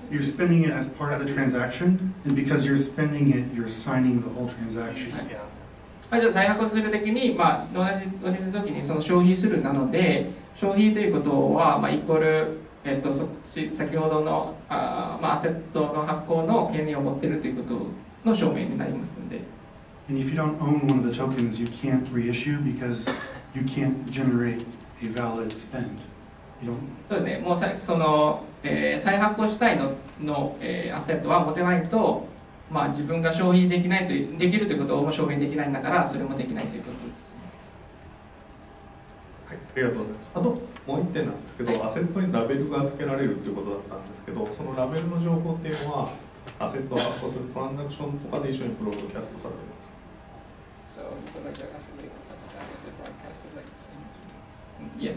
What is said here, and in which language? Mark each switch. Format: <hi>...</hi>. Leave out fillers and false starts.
<en>You're spending it as part of the transaction, and because you're spending it, you're signing the whole transaction. Yeah.</en> <ja>まあ、じゃあ再発行するときに、同じときにその消費するなので、消費ということは、イコール、先ほどのアセットの発行の権利を持っているということの証明になりますので。</ja> <en>And if you don't own one of the tokens, you can't reissue because you can't generate a valid spend.</en> <ja>そうですね。もうその、再発行したいの、アセットは持てないと、自分が消費できないとできるということを証明できないんだから、それもできないということです。はい、ありがとうございます。あともう一点なんですけど、はい、アセットにラベルが付けられるということだったんですけど、そのラベルの情報っていうのは、アセットを発行するトランザクションとかで一緒にブロードキャストされています。</ja> <en>So, you can like ask me if that is a broadcast of like the same?</en>